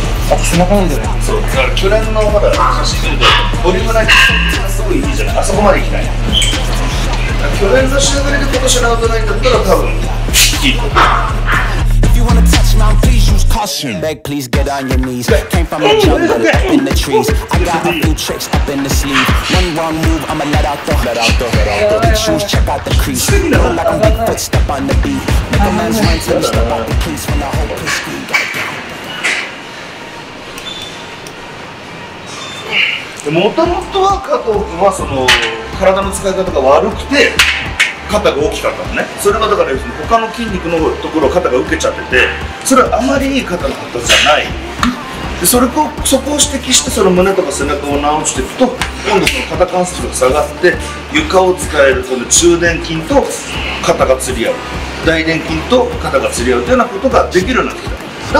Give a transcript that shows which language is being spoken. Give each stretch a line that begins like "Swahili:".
Japanese: あ、背中なんじゃない？そう、だから去年のほら、写真見ると、ボリュームないと、すごいいいじゃない。あそこまで行きたい。去年の仕上がりで今年のアウトラインだったら、多分、いいと思う。
English: Please use caution. Beg, please get on your knees. Came from the jungle, up in the trees. I got a few tricks up in the sleeve. One wrong move, I'ma let out the Big shoes, check out the crease. Feel like I'm Bigfoot, step on the beat. Make a man's mind till he step out the crease. When I hold the screen, got down.
Japanese: もともとは加藤君はその体の使い方が悪くて肩が大きかったのね。それがだから他の筋肉のところを肩が受けちゃってて、それはあまりいい肩の発達じゃない。で、そこを指摘して、その胸とか背中を直していくと、今度その肩関節が下がって床を使える、その中殿筋と肩が釣り合う、大殿筋と肩が釣り合うというようなことができるようになってきた。